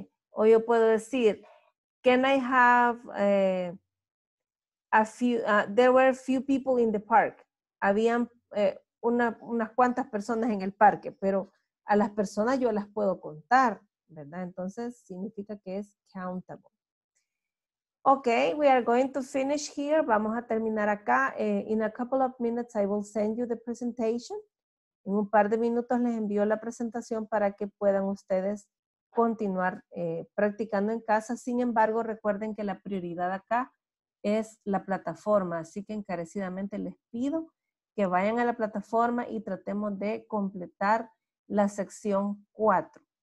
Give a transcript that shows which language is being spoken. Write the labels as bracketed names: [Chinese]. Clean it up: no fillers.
[Spanish] O yo puedo decir, [English] can I have a few, there were a few people in the park. [Spanish] Habían unas cuantas personas en el parque, pero a las personas yo las puedo contar, ¿verdad? Entonces significa que es [English] countable. Okay, we are going to finish here. [Spanish] Vamos a terminar acá. [English] In a couple of minutes, I will send you the presentation. [Spanish] En un par de minutos les envío la presentación para que puedan ustedes continuar practicando en casa. Sin embargo, recuerden que la prioridad acá es la plataforma. Así que encarecidamente les pido que vayan a la plataforma y tratemos de completar la sección 4.